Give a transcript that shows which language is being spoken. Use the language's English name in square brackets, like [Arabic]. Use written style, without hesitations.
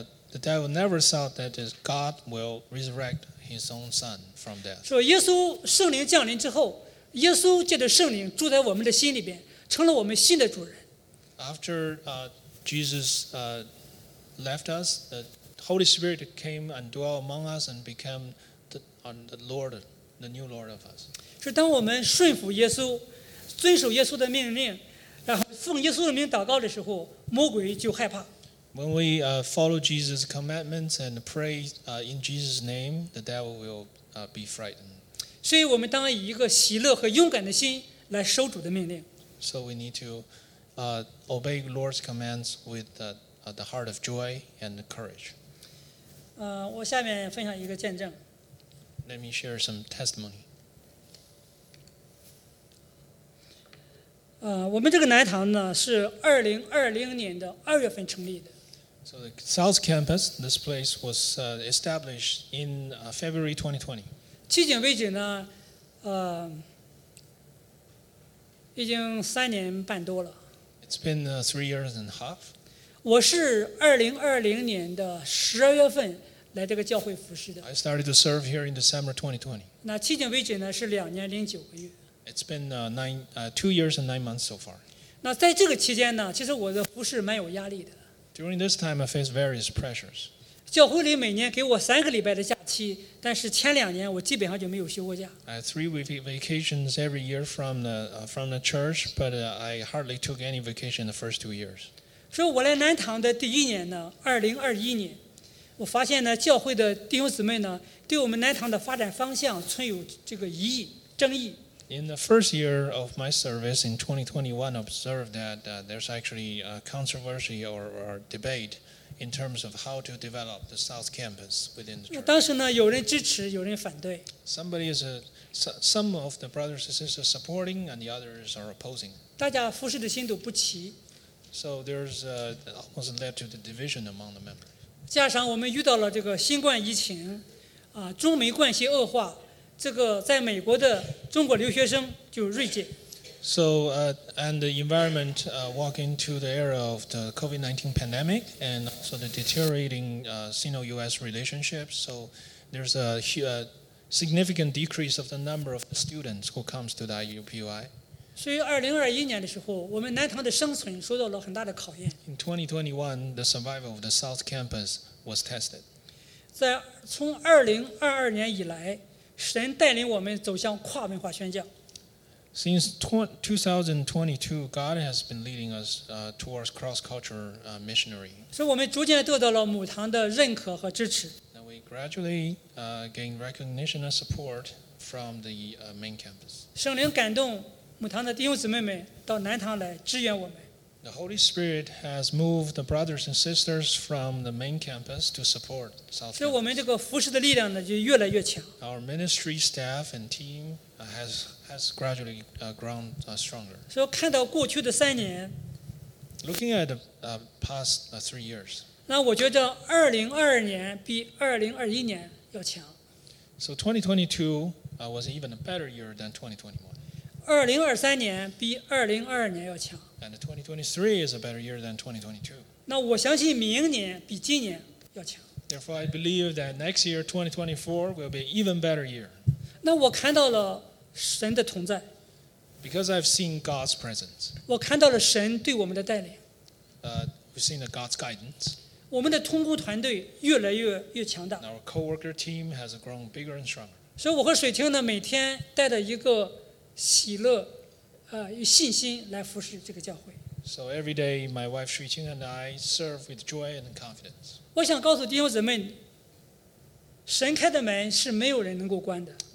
[English] The devil never thought that God will resurrect his own son from death. [Chinese] 说耶稣圣灵降临之后，耶稣借着圣灵住在我们的心里边，成了我们新的主人。 [English] After Jesus left us, the Holy Spirit came and dwelt among us and became the Lord, the new Lord of us. [Chinese] 是当我们顺服耶稣，遵守耶稣的命令，然后奉耶稣的名祷告的时候，魔鬼就害怕。 [English] When we follow Jesus' commandments and pray in Jesus' name, the devil will be frightened. [Chinese] 所以我们当以一个喜乐和勇敢的心来守主的命令。 [English] So we need to obey Lord's commands with the heart of joy and courage. [Chinese] 我下面分享一个见证。 [English] Let me share some testimony. [Chinese] 我们这个南堂呢是2020年的二月份成立的。 [English] So the South Campus, this place was established in February 2020. [Chinese] 迄今为止呢，已经三年半多了。 [English] It's been 3 years and a half. [Chinese] 我是2020年的12月份来这个教会服侍的。 [English] I started to serve here in December 2020. [Chinese] 那迄今为止呢是两年零九个月。 [English] It's been two years and 9 months so far. [Chinese] 那在这个期间呢，其实我的服侍蛮有压力的。 [English] During this time, I faced various pressures. [Chinese] 教会里每年给我三个礼拜的假期，但是前两年我基本上就没有休过假。 [English] I had 3 week vacations every year from the church, but I hardly took any vacation the first 2 years. [Chinese] 所以我来南堂的第一年呢，2021年，我发现呢，教会的弟兄姊妹呢，对我们南堂的发展方向存有这个疑义、争议。 [English] In the first year of my service in 2021, I observed that there's actually a controversy or debate. In terms of how to develop the South Campus within the church. [Chinese] 当时呢，有人支持，有人反对。 [English] Somebody is some of the brothers and sisters supporting, and the others are opposing. [Chinese] 大家服侍的心都不齐。 [English] So there's almost led to the division among the members. [Chinese] 加上我们遇到了这个新冠疫情，中美关系恶化，这个在美国的中国留学生就锐减。 [English] So, and the environment walking into the era of the COVID-19 pandemic and also the deteriorating Sino-US relationships. So, there's a significant decrease of the number of students who come to the IUPUI. So, in 2021, the survival of the South Campus was tested. In 2021, the survival of the South Campus was tested. From 2022, [Chinese] 神带领我们走向跨文化宣教。 [English] Since 2022, God has been leading us towards cross-cultural missionary. [Chinese] 所以我们逐渐得到了母堂的认可和支持。 [English] And we gradually gain recognition and support from the main campus. [Chinese] 圣灵感动母堂的弟兄姊妹们到南堂来支援我们。 [English] The Holy Spirit has moved the brothers and sisters from the main campus to support South Campus. [Chinese] 所以我们这个服事的力量呢，就越来越强。 [English] Our ministry staff and team has gradually grown stronger. [Chinese] 所以看到过去的三年 [English] ，Looking at the past three years, [Chinese] 那我觉得2022年比2021年要强。 [English] So 2022 was even a better year than 2021. [Chinese] 2023年比2022年要强。 [English] And 2023 is a better year than 2022. [Chinese] 那我相信明年比今年要强。 [English] Therefore, I believe that next year, 2024, will be an even better year. [Chinese] 那我看到了神的同在。 [English] Because I've seen God's presence. [Chinese] 我看到了神对我们的带领。 [English] We've seen God's guidance. [Chinese] 我们的同工团队越来越强大。 [English] And our co-worker team has grown bigger and stronger. [Chinese] 所以我和水清呢，每天带着一个喜乐。有信心来服侍这个教会。 [English] So every day, my wife Shui Qing and I serve with joy and confidence. [Chinese] 我想告诉弟兄姊妹，神开的门是没有人能够关的。